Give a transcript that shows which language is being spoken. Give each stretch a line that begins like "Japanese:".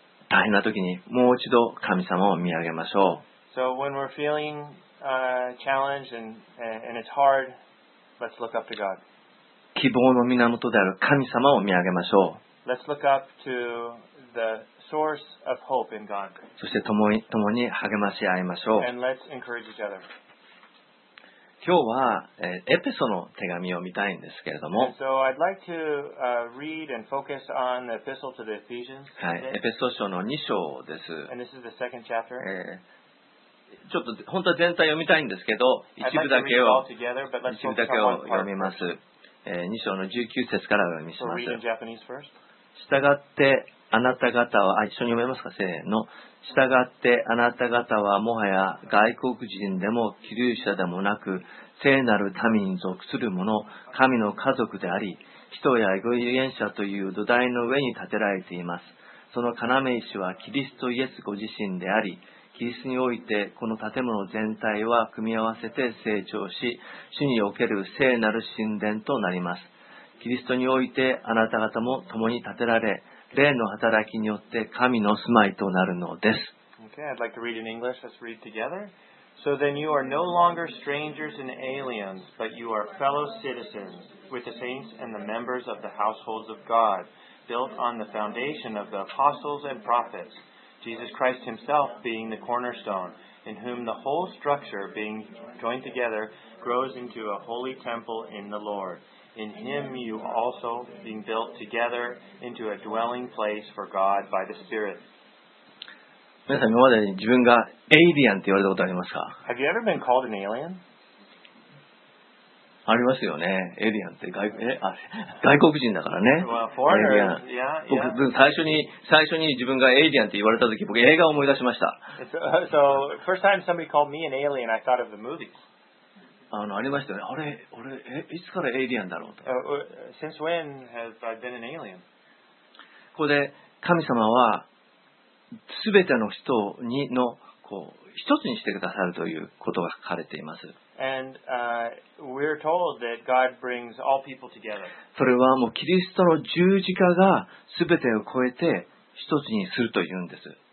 Japanese: 大変な時にもう一度神様を見上げましょう。
English: So when we're feeling challenged and it's hard, let's look up to God.
Japanese: 希望の源である神様を見上げましょう。
English: Let's look up to the source of hope in God.
Japanese: そして共に励まし合いましょう。
English: And let's encourage each other.
Japanese: 今日は、エペソの手紙を見たいんですけれども。
English: And so I'd like to read and focus on the epistle to the Ephesians.
Japanese: はい、エペソ書の2章です。
English: And this is the second chapter.
Japanese: ちょっと本当は全体読みたいんですけど、一部だけを読みます。 2章の19節からお読みします。従って、あなた方は、一緒に読めますか、せーの。従って、あなた方はもはや外国人でも、寄留者でもなく、聖なる民に属する者、神の家族であり、人や預言者という土台の上に建てられています。その要石はキリストイエスご自身であり、キリストにおいてこの建物全体は組み合わせて成長し、主における聖なる神殿となります。キリストにおいてあなた方も共に建てられ、霊の働きによって神の住まいとなるのです。
English: Okay, I'd like to read in English. Let's read together. So then you are no longer strangers and aliens, but you are fellow citizens with the saints and the members of the households of God, built on the foundation of the apostles and prophets. Jesus Christ himself being the cornerstone, in whom the whole structure being joined together grows into a holy temple in the Lord. In him you also being built together into a dwelling place for God by the Spirit.
Japanese: 皆さん、今までに自分がエイリアンって言われたことありますか?
English: Have you ever been called an alien?
Japanese: ありますよね。エイリアンって外国人だからね。
English: Well, エイリアン。Yeah, yeah.
Japanese: 僕最初に自分がエイリアンって言われた時、僕映画を思い出しました。
English: So, first time somebody called me an alien, I thought of the movies.
Japanese: ありましたよね。あれ、いつからエイリアンだろうと。
English: Since when have I been an alien?
Japanese: ここで神様は全ての人にのこう一つにしてくださるということが書かれています。
English: And we're told that God brings all people together.
Japanese: それはもうキリストの十字架がすべてを超えて一つにするというんです。